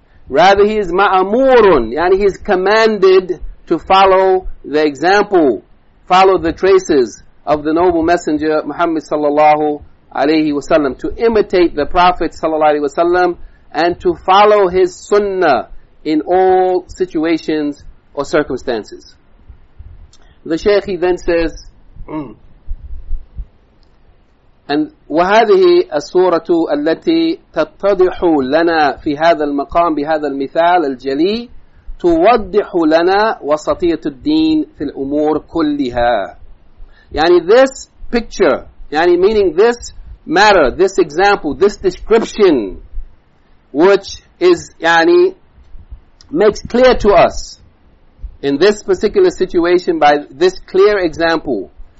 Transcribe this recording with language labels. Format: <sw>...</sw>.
<en>Rather he is ma'amurun, yani he is commanded to follow the example, follow the traces of the noble messenger Muhammad sallallahu alaihi wasallam, to imitate the Prophet sallallahu alaihi wasallam and to follow his sunnah in all situations or circumstances. The Shaykh then says, and</en> <ar>وهذه السورة التي تتضح لنا في هذا المقام بهذا المثال الجلي توضح لنا وسطية الدين في الأمور كلها.</ar> <en>يعني this picture, يعني meaning this matter, this example, this description, which is يعني makes clear to us in this particular situation by this clear example.</en>